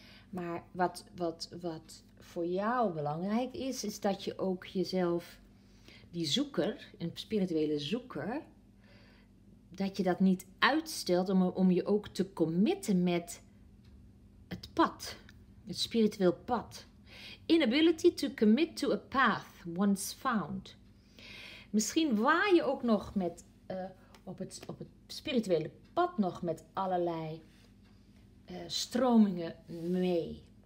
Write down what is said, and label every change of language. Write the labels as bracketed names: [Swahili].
[Dutch] Maar wat voor jou belangrijk is, is dat je ook jezelf, die zoeker, een spirituele zoeker, dat je dat niet uitstelt om je ook te committen met het pad, het spiritueel pad. [English] Inability to commit to a path once found. [Dutch] Misschien waar je ook nog met op het spirituele pad, pad nog met allerlei stromingen mee.